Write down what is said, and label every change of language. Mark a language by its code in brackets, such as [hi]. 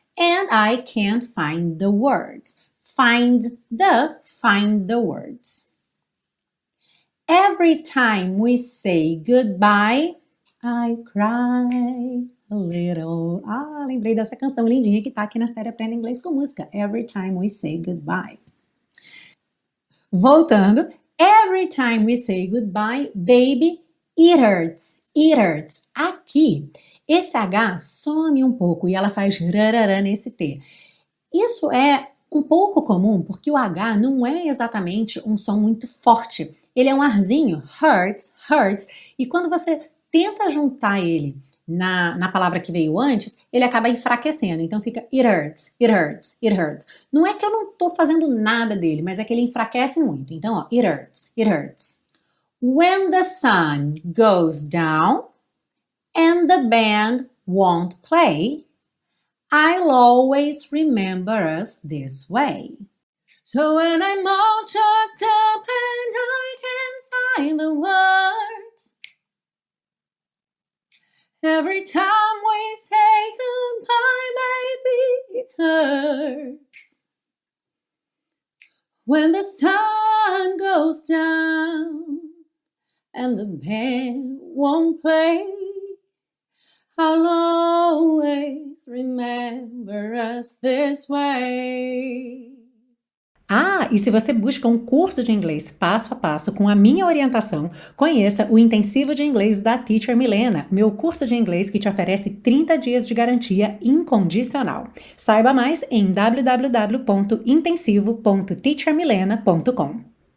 [en] And I can't find the words. Find the words. Every time we say goodbye, I cry. A little. [pt] Ah, lembrei dessa canção lindinha que tá aqui na série Aprenda Inglês com Música. [en] Every time we say goodbye. [pt] Voltando. [en] Every time we say goodbye, baby, it hurts. It hurts. [pt] Aqui, esse H some um pouco e ela faz rarará nesse T. Isso é um pouco comum porque o H não é exatamente um som muito forte. Ele é um arzinho. [en] Hurts, hurts. [pt] E quando você tenta juntar ele na palavra que veio antes, ele acaba enfraquecendo. Então fica [en] it hurts, it hurts, it hurts. [pt] Não é que eu não tô fazendo nada dele, mas é que ele enfraquece muito. Então, ó, [en] it hurts, it hurts. When the sun goes down and the band won't play, I'll always remember us this way. So when I'm all choked up and I can't find the words, every time we say goodbye, baby, it hurts. When the sun goes down and the band won't play, I'll always remember us this way. [pt] Ah, e se você busca um curso de inglês passo a passo com a minha orientação, conheça o Intensivo de Inglês da Teacher Milena, meu curso de inglês que te oferece 30 dias de garantia incondicional. Saiba mais em www.intensivo.teachermilena.com.